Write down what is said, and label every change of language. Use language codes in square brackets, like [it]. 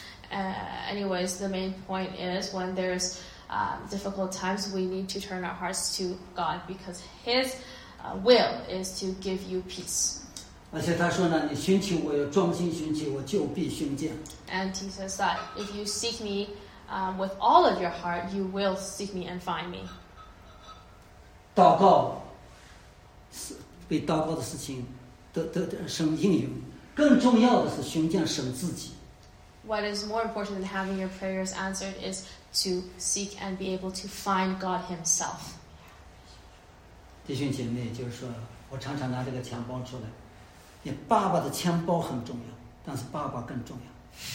[en] So, anyways, the main point is when there's difficult times, we need to turn our hearts to God because His will is to give you peace. [zh] 而且他说呢，你寻求我，要专心寻求我，就必寻见。 [en] And He says that if you seek me with all of your heart, you will seek me and find me. [zh] 祷告是被祷告的事情得神应允，更重要的是寻见神自己。 [en] What is more important than having your prayers answered is to seek and be able to find God Himself. [zh] 弟兄姐妹，就是说我常常拿这个钱包出来，你爸爸的钱包很重要，但是爸爸更重要。